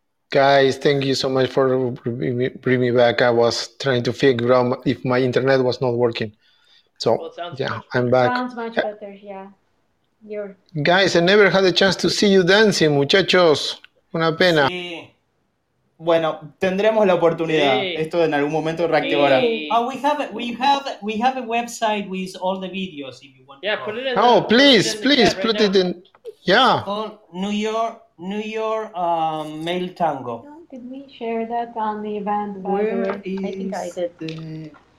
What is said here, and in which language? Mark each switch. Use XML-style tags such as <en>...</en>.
<en>Guys, thank you so much for bringing me back. I was trying to figure out if my internet was not working. So, I'm back. Sounds much better, Guys, I never had a chance to see you dancing, muchachos.</en> <es>Una pena. Sí. Bueno, tendremos la oportunidad. Sí. Esto en algún momento reactivará. Sí.</es> <en>Oh, we have a website with all the videos if you want. Yeah, put it in. Oh, the, please, please put it in. Right, yeah. New York Male Tango. Did we share that on the event? I think I did.</en>